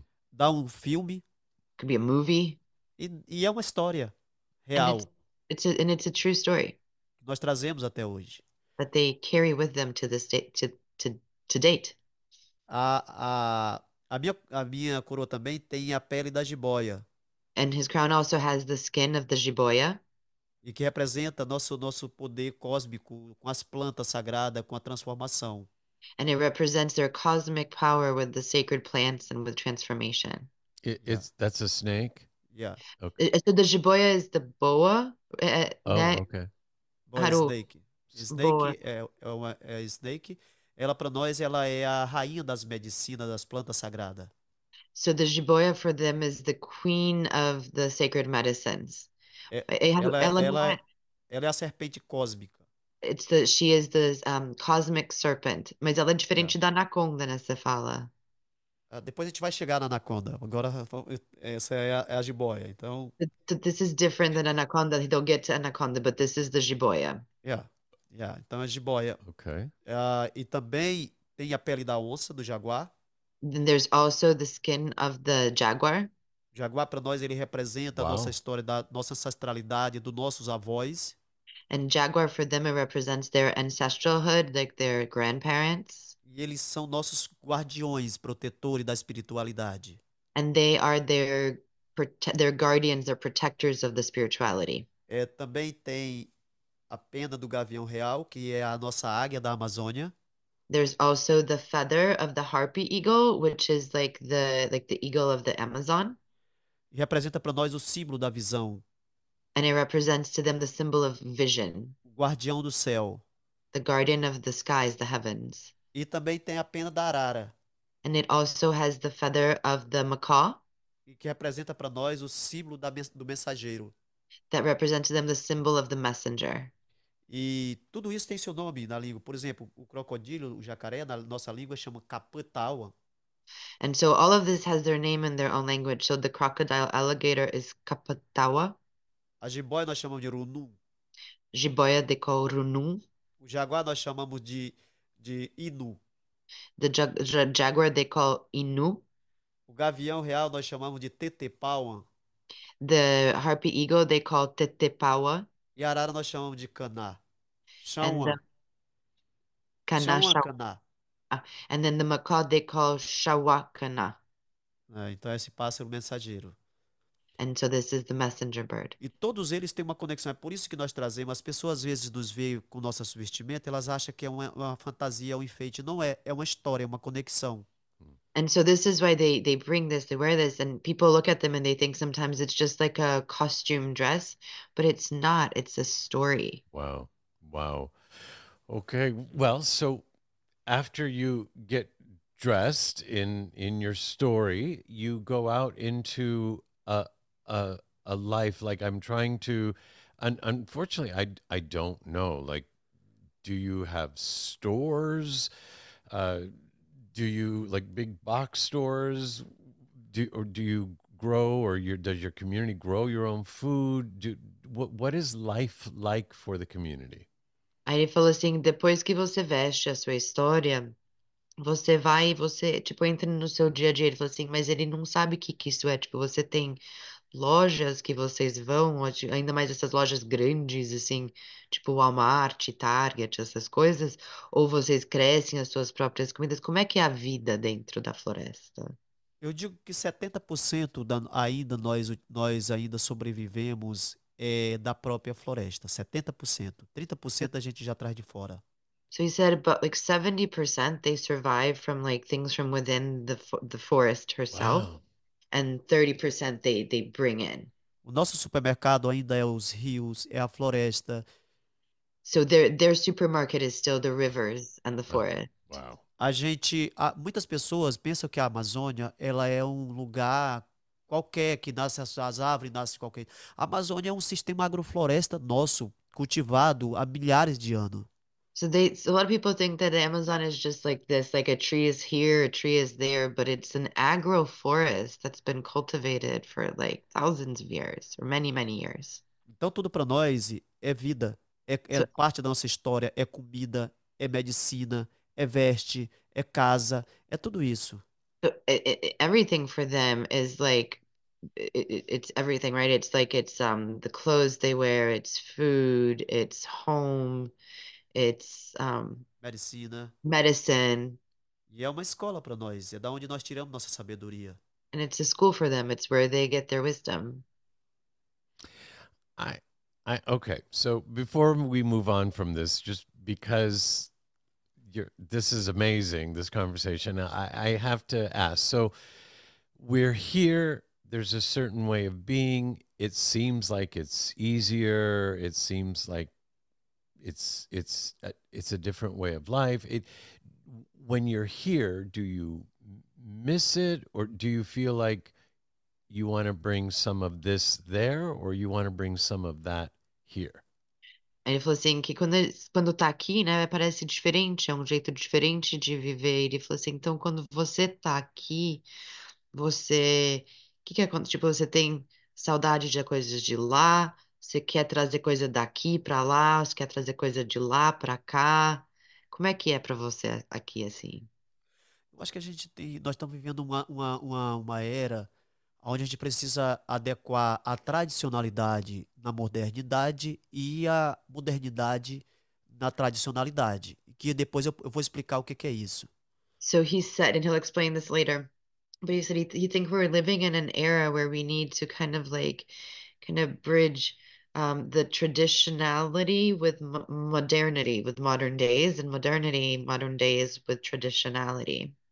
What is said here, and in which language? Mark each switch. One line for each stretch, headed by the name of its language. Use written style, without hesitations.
Portuguese: Dá um filme.
English: Could be a movie.
Portuguese: E é uma história
English: And
Portuguese: real.
English: it's a true story
Portuguese: Nós trazemos até hoje.
English: that they carry with them to this day, to date.
Portuguese: A minha coroa também tem a pele da jiboia.
English: And his crown also has the skin of the jiboia.
Portuguese: E que representa nosso poder cósmico com as plantas sagradas, com a transformação.
English: And it represents their cosmic power with the sacred plants and with transformation. It's that's a snake. Okay. So the jiboia is the boa, Oh,
Portuguese: né?
English: okay. Haru, boa. Snake é snake.
Portuguese: Ela para nós, ela é a rainha das medicinas, das plantas sagradas.
English: So the jiboia for them is the queen of the sacred medicines.
Portuguese: É, Ela não ela, ela, ela é a serpente cósmica.
English: é. It's the she is the cosmic serpent.
Portuguese: Mas ela é diferente da anaconda nessa fala. Depois a gente vai chegar na anaconda. Agora essa é a jiboia. Então
English: This is different than anaconda. They'll get to anaconda, but this is the jiboia.
Portuguese: Então a jiboia.
English: Okay.
Portuguese: E também tem a pele da onça, do jaguar.
English: Then there's also the skin of the jaguar.
Portuguese: Jaguar para nós ele representa a nossa
English: Wow.
Portuguese: história, da nossa ancestralidade, dos nossos avós.
English: And jaguar for them, it represents their ancestralhood, like their grandparents.
Portuguese: E eles são nossos guardiões, protetores da espiritualidade.
English: And they are their guardians, their protectors of the spirituality.
Portuguese: Também tem a pena do gavião real, que é a nossa águia da Amazônia.
English: There's also the feather of the harpy eagle, which is like the eagle of the Amazon.
Portuguese: E representa para nós o símbolo da visão.
English: And it represents to them the symbol of vision.
Portuguese: O guardião do céu.
English: The guardian of the skies, the heavens.
Portuguese: E também tem a pena da arara.
English: And it also has the feather of the macaw.
Portuguese: E que representa para nós o símbolo do mensageiro.
English: That represents to them the symbol of the messenger.
Portuguese: E tudo isso tem seu nome na língua. Por exemplo, o crocodilo, o jacaré, na nossa língua chama caputaua.
English: And so all of this has their name in their own language. So the crocodile alligator is Capatawa.
Portuguese: A jiboia nós chamamos de runu. Jiboia de Corunum. O jaguar nós chamamos de inu.
English: The jaguar they call Inu.
Portuguese: O gavião real nós chamamos de tetepaua.
English: The harpy eagle they call Tetepawa.
Portuguese: E a arara nós chamamos de caná.
English: And the Chão-a. Kanasha. Chão-a-caná. And then the macaw they call Shawakana.
Portuguese: É, então é esse pássaro mensageiro.
English: And so this is the messenger bird.
Portuguese: E todos eles têm uma conexão. É por isso que nós trazemos. As pessoas às vezes nos veem com nossa vestimenta, elas acham que é uma fantasia, um enfeite. Não é. É uma história, é uma conexão.
English: And so this is why they bring this, they wear this, and people look at them and they think sometimes it's just like a costume dress, but it's not, it's a story. Wow. Wow. Okay. Well, so after you get dressed in your story, you go out into a life. Like I'm trying to, and unfortunately, I don't know. Like, do you have stores? Do you like big box stores? Do you grow, or does your community grow your own food? What is life like for the community?
Portuguese: Aí ele falou assim, depois que você veste a sua história, você vai e você, tipo, entra no seu dia a dia. Ele falou assim, mas ele não sabe o que que isso é. Tipo, você tem lojas que vocês vão, ainda mais essas lojas grandes, assim, tipo Walmart, Target, essas coisas, ou vocês crescem as suas próprias comidas. Como é que é a vida dentro da floresta? Eu digo que 70% ainda nós sobrevivemos da própria floresta. 70%. 30% a gente já traz de fora.
English: So he said, but like 70% they survive from like things from within the forest herself, Wow. and 30% they bring in.
Portuguese: O nosso supermercado ainda é os rios, é a floresta.
English: So their supermarket is still the rivers and the forest. Wow.
Portuguese: Muitas pessoas pensam que a Amazônia ela é um lugar qualquer que nasce as árvores nasce qualquer. A Amazônia é um sistema agrofloresta nosso cultivado há milhares de anos. So a lot of people think that the Amazon is just like this, like a tree is here, a tree is there, but it's an agroforest that's been cultivated for like thousands of years, or many, many years. Então tudo para nós é vida, é parte da nossa história, é comida, é medicina. É veste, é casa, é tudo isso.
English: Everything for them is like it's everything, right? It's the clothes they wear, it's food, it's home. It's
Portuguese: Medicina.
English: medicine.
Portuguese: E é uma escola para nós, é da onde nós tiramos nossa sabedoria.
English: And it's a school for them. It's where they get their wisdom. I okay. So before we move on from this, just because this is amazing, this conversation, I have to ask. So we're here, there's a certain way of being. It seems like it's easier, it seems like it's a different way of life. It when you're here, do you miss it, or do you feel like you want to bring some of this there, or you want to bring some of that here?
Portuguese: Ele falou assim, que quando tá aqui, né, parece diferente, é um jeito diferente de viver. Ele falou assim, então quando você tá aqui, você, que é quando, tipo, você tem saudade de coisas de lá, você quer trazer coisa daqui para lá, você quer trazer coisa de lá para cá. Como é que é para você aqui assim? Eu acho que nós estamos vivendo uma era onde a gente precisa adequar a tradicionalidade na modernidade e a modernidade na tradicionalidade, que depois eu vou explicar o que é isso.
English: So he said, and he'll explain this later, but he said he think we're living in an era where we need to kind of bridge the traditionality with modernity, with modern days, and modernity, modern days with traditionality.